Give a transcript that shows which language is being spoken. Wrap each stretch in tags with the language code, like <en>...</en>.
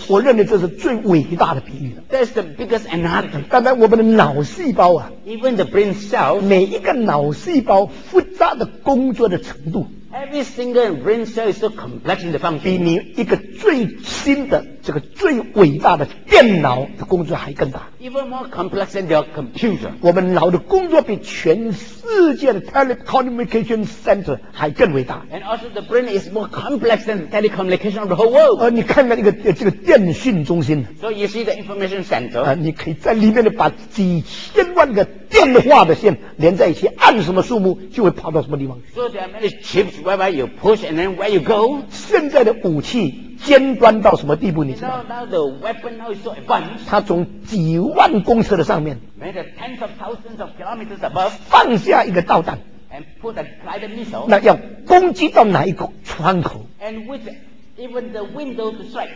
<zh>我认为这是最伟大的比喻。</zh> <en>That's the biggest analogy.</en> <zh>单单我们的脑细胞啊</zh> <en>，even the brain cell，</en> <zh>每一个脑细胞复杂的工作的程度。</zh> <en>Every single brain cell is so complex in the function.</en> <zh>比你一个最新的这个最伟大的电脑的工作还更大。</zh> <en>Even more complex than your computer.</en> <zh>我们脑的工作比全世界的 telecommunication center 还更伟大。</zh> <en>And also the brain is more complex than telecommunication of the whole world.</en> <zh>你看看这个电讯中心。</zh> <en>So you see the information center.</en> <zh>你可以在里面把几千万个电话的线连在一起，按什么数目就会跑到什么地方。</zh> <en>So there are many chips wherever you push and then where you go.</en> <zh>现在的武器尖端到什么地步你知道吗？</zh> <en>Now the weapon now is so advanced.</en> <zh>它从几万公尺的上面</zh> <en>made tens of thousands of kilometers above,</en> <zh>放下一个导弹</zh> <en>and put a guided missile,</en> <zh>那要攻击到哪一个窗口</zh> <en>and with even the window to strike,</en>